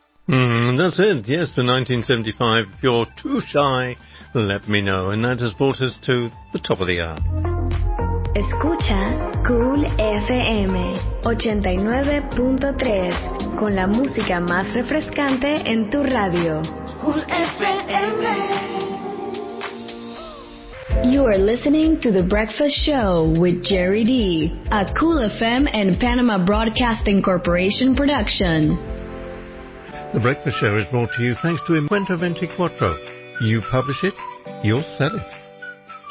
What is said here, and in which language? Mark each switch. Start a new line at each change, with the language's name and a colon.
English: That's it. Yes, the 1975. If you're too shy, let me know. And that has brought us to the top of the hour.
Spanish: Escucha Cool FM 89.3 con la música más refrescante en tu radio. Cool FM.
English: You are listening to The Breakfast Show with Jerry D, a Cool FM and Panama Broadcasting Corporation production. The Breakfast Show is brought to you thanks to Inventa 24. You publish it, you'll sell it.